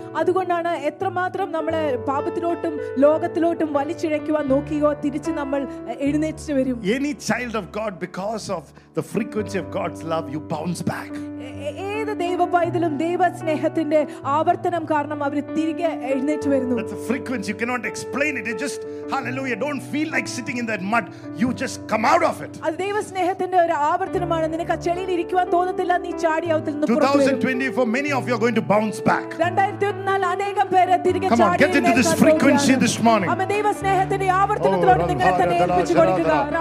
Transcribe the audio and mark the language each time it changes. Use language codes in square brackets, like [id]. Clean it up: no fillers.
[ml] അതുകൊണ്ടാണ് എത്രമാത്രം നമ്മളെ പാപത്തിലോട്ടും ലോകത്തിലോട്ടും വലിച്ചിഴയ്ക്കുവാൻ നോക്കിയോ തിരിച്ച് നമ്മൾ എഴുന്നേറ്റ് വരും. [en] Any child of God, because of the frequency of God's love, you bounce back. [ml] ഏത് ദൈവപൈതലും ദൈവസ്നേഹത്തിന്റെ ആവർത്തനം കാരണം അവർ തിരികെ എഴുന്നേറ്റ് വരുന്നു. [en] That's a frequency. You cannot explain it. It's just hallelujah. Don't feel like sitting in that mud. You just come out of it. [ml] അത് ദൈവസ്നേഹത്തിന്റെ ഒരു ആവർത്തനമാണ്. നിനക്ക് ചെളിയിൽ ഇരിക്കുവാൻ തോന്നത്തില്ല. നീ ചാടി അവത്തിൽ നിന്ന് പുറത്തു വരും. [en] 2024, many of you are going to bounce back. [ml] 2024 അനേകം പേരെ തിരികെ ചാടി. [en] Come on, get into this frequency this morning. [ml] അമ്മ ദൈവസ്നേഹത്തിന്റെ ആവർത്തനത്തിലോട്ട് നിങ്ങളെ തന്നെ ഏൽപ്പിച്ചു കൊടുക്കുക.